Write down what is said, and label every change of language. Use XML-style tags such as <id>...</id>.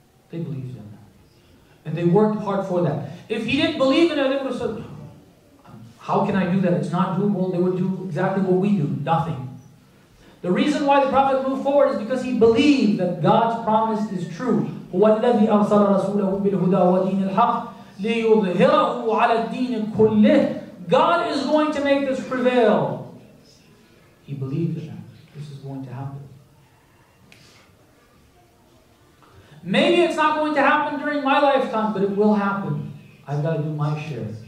<en>They believed in that. And they worked hard for that. If he didn't believe in it, they would have said, how can I do that? It's not doable. They would do exactly what we do, nothing. The reason why the Prophet moved forward is because he believed that God's promise is true.</en> <ar>هو الذي أرسل رسوله بالهدى ودين الحق لِيُظْهِرَهُ عَلَى الدِّينِ كُلِّهِ.</ar> <en>God is going to make this prevail. He believed in that. This is going to happen. Maybe it's not going to happen during my lifetime, but it will happen. I've got to do my share.</en>